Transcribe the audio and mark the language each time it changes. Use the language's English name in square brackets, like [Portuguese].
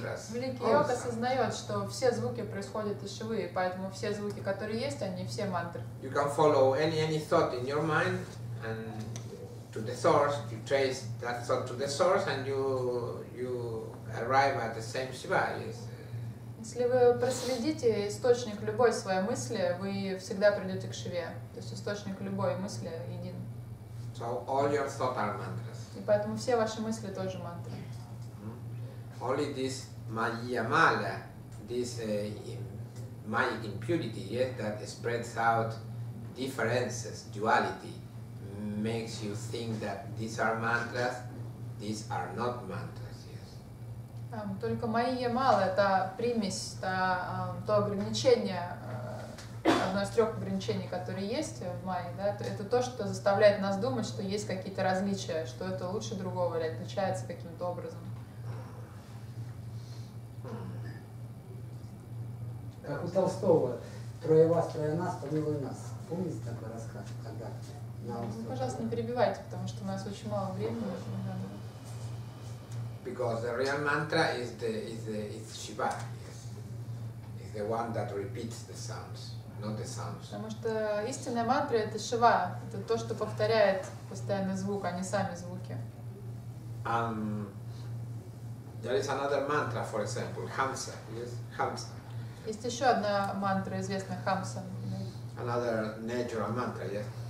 [Russian] Великий йог осознает, что все звуки происходят из Шивы, поэтому все звуки, которые есть, они все мантры. [English] You can follow any thought in your mind and to the source, you trace that thought to the source and you arrive at the same Shiva. Yes. [Russian] Если вы проследите источник любой своей мысли, вы всегда придете к Шиве. То есть источник любой мысли един. [English] So all your thoughts are mantras. [Russian] И поэтому все ваши мысли тоже мантры. [English] Only this Mayamala, this Mayic impurity, yes, that spreads out differences, duality, makes you think that these are mantras, these are not mantras, yes. [Russian] Только Mayamala, это примесь, это то ограничение, одно из трех ограничений, которые есть в Майе, да, это то, что заставляет нас думать, что есть какие-то различия, что это лучше другого или отличается каким-то образом. Как у Толстого, трое вас, трое нас, помилуй нас. Помните такой рассказ, когда на острове? Пожалуйста, не перебивайте, потому что у нас очень мало времени. [English] Because the real mantra is Shiva, yes. It's the one that repeats the sounds, not the sounds. [Russian] Потому что истинная мантра — это Шива, это то, что повторяет постоянно звук, а не сами звуки. [English] There is another mantra, for example, Hamsa, yes, Hamsa. [Russian] Есть еще одна мантра, известная Хамса. [English] Another natural mantra, yes.